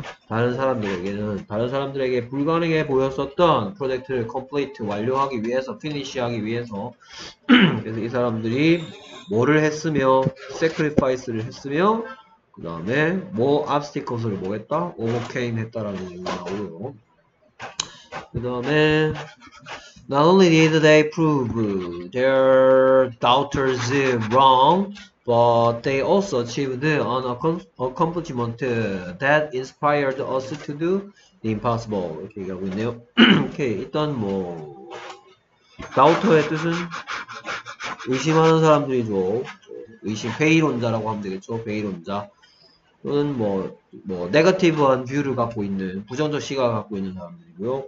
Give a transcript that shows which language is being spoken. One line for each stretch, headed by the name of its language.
Korean: 다른 사람들에게는, 다른 사람들에게 불가능해 보였었던 프로젝트를 컴플리트, 완료하기 위해서, 피니쉬하기 위해서 그래서 이 사람들이 뭐를 했으며, 세크리파이스를 했으며, 그 다음에 뭐 obstacles를 뭐 했다? overcame 했다라는 얘기가 나오고요.
English: 그 다음에 not only did they prove their doubters wrong, but they also achieved an accomplishment that inspired us to do the impossible.
Korean: 이렇게 얘기하고 있네요. 오케이, 일단 뭐 doubter의 뜻은 의심하는 사람들이죠. 의심, 회의론자라고 하면 되겠죠. 회의론자 또는 뭐 네거티브한 뷰를 갖고 있는, 부정적 시각을 갖고 있는 사람들이고요.